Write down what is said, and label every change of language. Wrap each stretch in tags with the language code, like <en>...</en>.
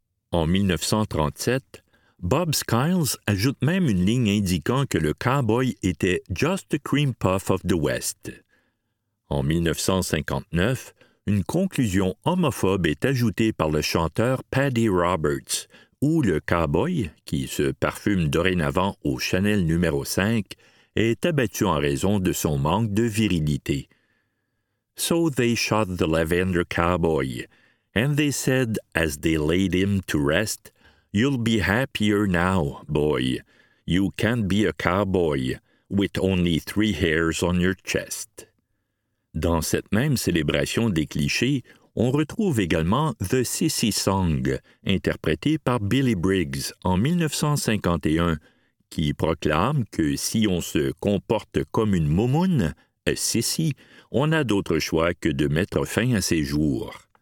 <fr>En 1937, Bob Skiles ajoute même une ligne indiquant que le cowboy était « just a cream puff of the West ». En 1959, une conclusion homophobe est ajoutée par le chanteur Paddy Roberts, où le cowboy, qui se parfume dorénavant au Chanel numéro 5, est abattu en raison de son manque de virilité.</fr> <en>« So they shot the lavender cowboy, and they said, as they laid him to rest, you'll be happier now, boy.</en> <fr>You can't be a cowboy with only three hairs on your chest. » Dans cette même célébration des clichés, on retrouve également « The Sissy Song », interprété par Billy Briggs en 1951, qui proclame que si on se comporte comme une moumoune, « Sissy », on n'a d'autre choix que de mettre fin à ses jours.</fr>